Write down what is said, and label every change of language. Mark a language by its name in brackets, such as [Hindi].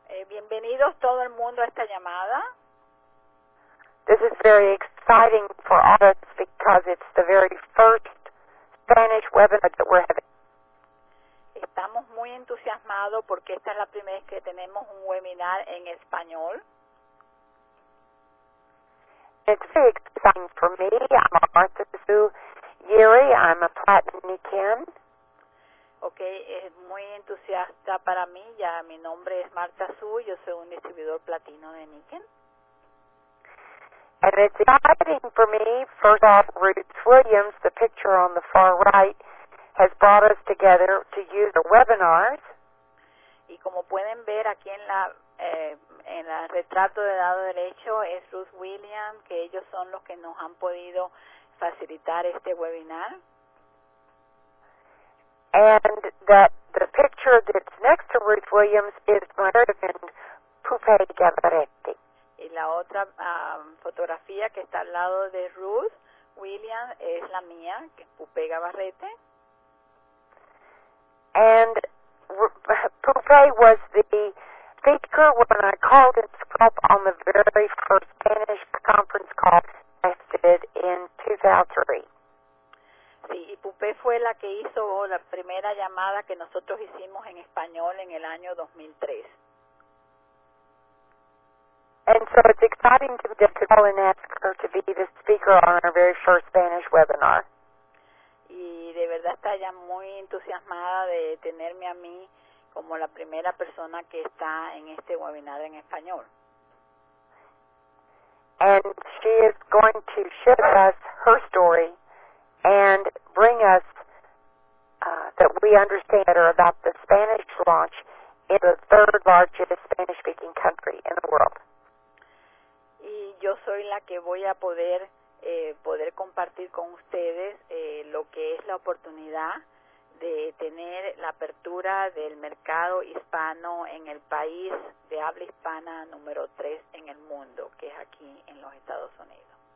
[Spanish] Bienvenidos todo el mundo a esta llamada. [English] This is very exciting for all of us because it's the very first Spanish webinar that we're having. [Spanish] Estamos muy entusiasmados porque esta es la primera vez que tenemos un webinar en español. [English] It's very exciting for me. I'm Martha Sue Yeri. I'm a Platinum Nican. [Spanish] Okay, es muy entusiasta para mí. Ya mi nombre es Martha Sue. Yo soy un distribuidor platino de Nican. [English] And it's exciting for me. First off, Ruth Williams, the picture on the far right, has brought us together to use the webinars. [Spanish] Y como pueden ver aquí en la retrato del lado derecho es Ruth Williams, que ellos son los que nos han podido facilitar este webinar. [English] And that the picture that's next to Ruth Williams is my friend Pupe Gavaretti. [Spanish] Y la otra fotografía que está al lado de Ruth Williams es la mía, que es Pupe Gavaretti. [English] And Pupe was the speaker when I called and spoke on the very first Spanish conference call I did in 2003. [Spanish] Sí, y Pupe fue la que hizo la primera llamada que nosotros hicimos en español en el año 2003. [English] And so it's exciting to get to call and ask her to be the speaker on our very first Spanish webinar. [Spanish] Y de verdad está ya muy entusiasmada de tenerme a mí como la primera persona que está en este webinar en español. [English] And she is going to share with us her story and bring us that we understand or adopt the Spanish launch in the third largest Spanish-speaking country in the world. [Spanish] Y yo soy la que voy a poder poder compartir con ustedes lo que es la oportunidad de tener la apertura del mercado hispano en el país de habla hispana número 3 en el mundo, que es aquí en los Estados Unidos.